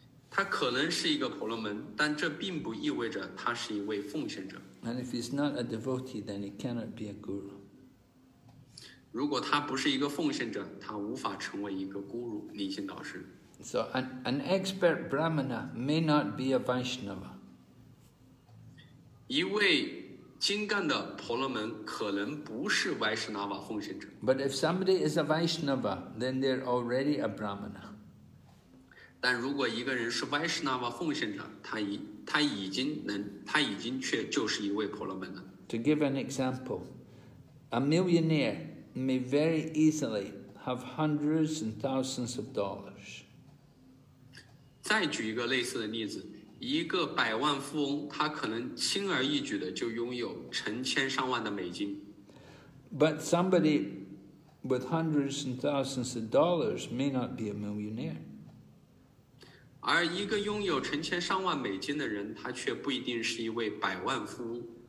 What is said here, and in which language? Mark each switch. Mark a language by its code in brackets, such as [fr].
[zh] 他可能是一个婆罗门，但这并不意味着他是一位奉献者。 [en] And if he's not a devotee, then he cannot be a guru. [zh] 如果他不是一个奉献者，他无法成为一个 guru 灵性导师。 [en] So an expert brahmana may not be a Vaishnava. [zh] 一位精干的婆罗门可能不是 Vaishnava 奉献者。 [en] But if somebody is a Vaishnava, then they're already a brahmana. [zh] 但如果一个人是 Vaishnava 奉献者，他已经就是一位婆罗门了。 [en] To give an example, a millionaire may very easily have hundreds and thousands of dollars. [zh] 再举一个类似的例子，一个百万富翁，他可能轻而易举的就拥有成千上万的美金。 [en] But somebody with hundreds and thousands of dollars may not be a millionaire. [zh] 而一个拥有成千上万美金的人，他却不一定是一位百万富翁。